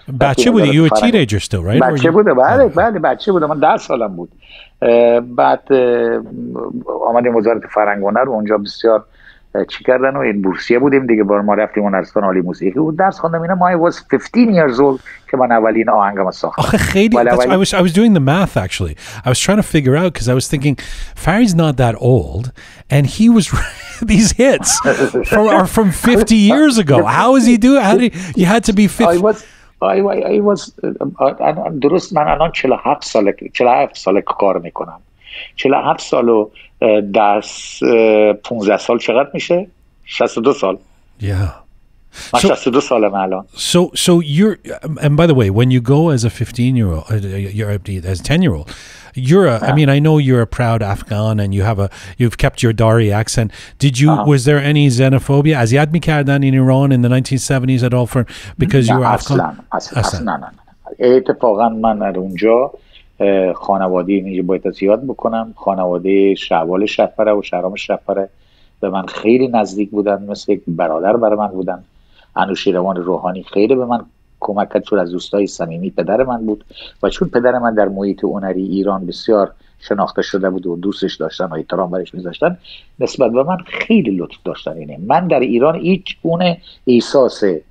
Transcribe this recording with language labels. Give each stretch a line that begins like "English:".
Persian: بچه بودی
English: you were a teenager still right
Persian: بچه بوده بله بچه بودم من 10 سالم بود بعد اومدیم وزارت فرهنگ و هنر اونجا بسیار چی کردن و این بورسیه بودیم دیگه بار ما رفتیم هنرستان عالی موسیقی و درس خواندم اینا
English: my was 15 years old
Persian: که من اولین آهنگم ساختم آخه خیلی
English: I was doing the math actually I was trying to figure out because I was thinking Farid's not that old and he was these hits are from 50 years ago how is he doing how did he you had to be 50 I was
Persian: درست من الان 47 ساله 47 ساله کار میکنم 47 سال و 15 سال چقدر میشه؟ 62 سال.
English: Yeah.
Persian: من 62 سالم الان.
English: So you're and by the way when you go as a 15 year old you're as 10 year old you're a, yeah. I mean I know you're a proud Afghan and you've kept your Dari accent. Did you uh-huh. was there any xenophobia as Yadmi Kardan in Iran in the 1970s at all for because you were Afghan?
Persian: اصلا. اتفاقا من اونجا خانواده اینجا باید زیاد بکنم خانواده شعبال شهپره و شهرام شهپره به من خیلی نزدیک بودن مثل یک برادر بر من بودن انوشیروان روحانی خیلی به من کمک کرد چون از دوستای صمیمی پدر من بود و چون پدر من در محیط هنری ایران بسیار شناخته شده بود و دوستش داشتن و احترام برش میذاشتن نسبت به من خیلی لطف داشتن اینه من در ایران هیچ گونه احساس